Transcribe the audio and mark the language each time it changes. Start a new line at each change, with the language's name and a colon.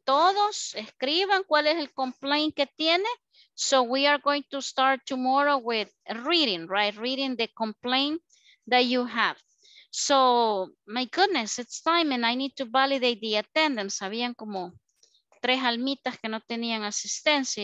Spanish: Todos escriban cuál es el complaint que tiene.
English: So we are going to start tomorrow with reading, right? Reading the complaint that you have. So my goodness, it's time and I need to validate the attendance.
Spanish: Habían como tres almitas que no tenían asistencia.